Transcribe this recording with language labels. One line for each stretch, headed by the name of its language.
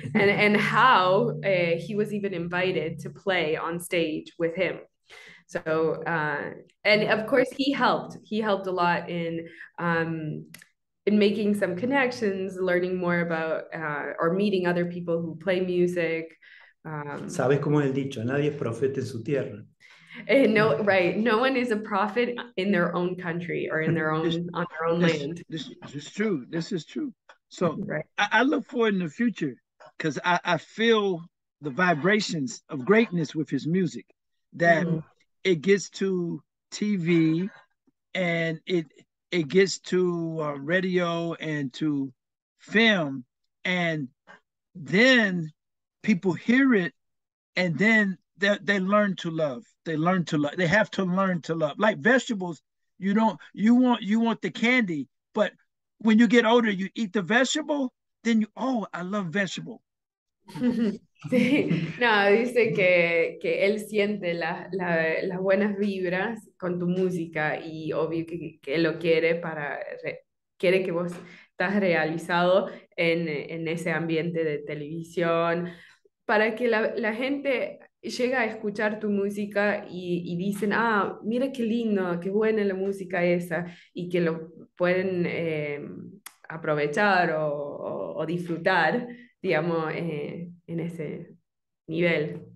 English: And how he was even invited to play on stage with him. So and of course he helped a lot in making some connections, learning more about or meeting other people who play music.
Spanish: Sabes cómo es el dicho, nadie es profeta en su tierra.
English: No, right. No one is a prophet in their own country or in their own on their own land. This is true. So right. I look forward in the future because I feel the vibrations of greatness with his music, that it gets to TV and it gets to radio and to film, and then people hear it and then they learn to love. They have to learn to love. Like vegetables, you want the candy, but when you get older, you eat the vegetable, then you, oh, I love vegetable.
Spanish: Sí. No, dice que él siente las buenas vibras con tu música y obvio que lo quiere para, quiere que vos estás realizado en ese ambiente de televisión para que la gente llega a escuchar tu música y dicen, ah, mira qué lindo, qué buena la música esa, y que lo pueden aprovechar o disfrutar, digamos, en ese nivel.